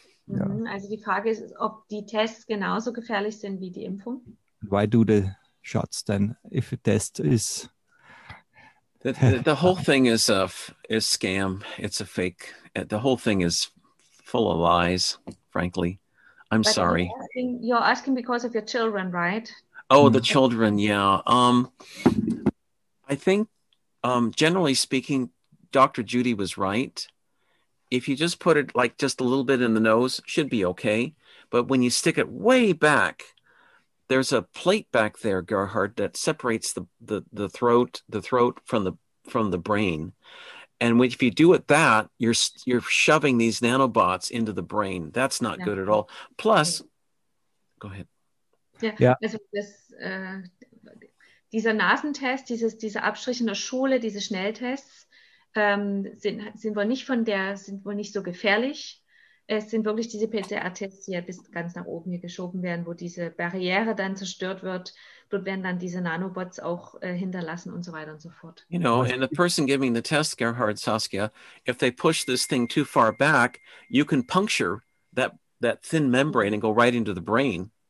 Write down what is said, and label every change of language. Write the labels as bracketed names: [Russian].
[German] Also die Frage ist, ob die Tests genauso gefährlich sind wie die Impfung. [English] Why do the shots then, if a test is... The whole thing is a scam. It's a fake. The whole thing is full of lies, frankly. I'm but sorry. You're asking because of your children, right? Oh, the children, yeah. I think, generally speaking, Dr. Judy was right. If you just put it like just a little bit in the nose, should be okay. But when you stick it way back, there's a plate back there, Gerhard, that separates the throat from the brain. And if you do it that, you're shoving these nanobots into the brain. That's not good at all. Plus, go ahead. Yeah. [German] Also das, dieser Nasentest, diese Abstrich in der Schule, diese Schnelltests, sind wohl nicht von der, sind wohl nicht so gefährlich. Es sind wirklich diese PCR-Tests, die ja bis ganz nach oben hier geschoben werden, wo diese Barriere dann zerstört wird. Dort werden dann diese Nanobots auch hinterlassen und so weiter und so fort. [English] You know, and the person giving the test, Gerhard, Saskia, if they push this thing too far back, you can puncture that thin membrane and go right into the brain.